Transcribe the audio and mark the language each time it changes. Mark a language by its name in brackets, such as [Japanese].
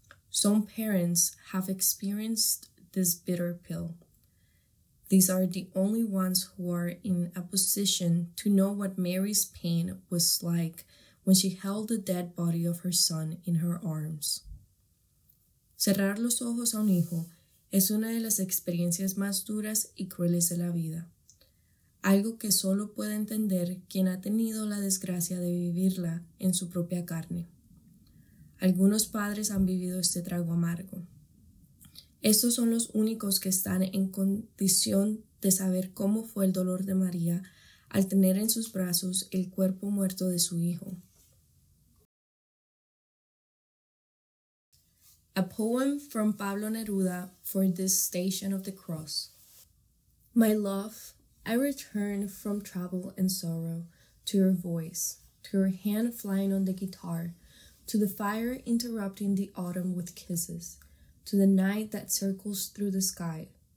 [English] Some parents have experienced this bitter pill. These are the only ones who are in a position to know what Mary's pain was like when she held the dead body of her son in her arms. [Spanish] Cerrar los ojos a un hijo es una de las experiencias más duras y crueles de la vida. Algo que solo puede entender quien ha tenido la desgracia de vivirla en su propia carne. Algunos padres han vivido este trago amargo. Estos son los únicos que están en condición de saber cómo fue el dolor de María al tener en sus brazos el cuerpo muerto de su hijo. [English] A poem from Pablo Neruda for this Station of the Cross. My love, I return from trouble and sorrow to your voice, to your hand flying on the guitar, to the fire interrupting the autumn with kisses, to the night that circles through the sky.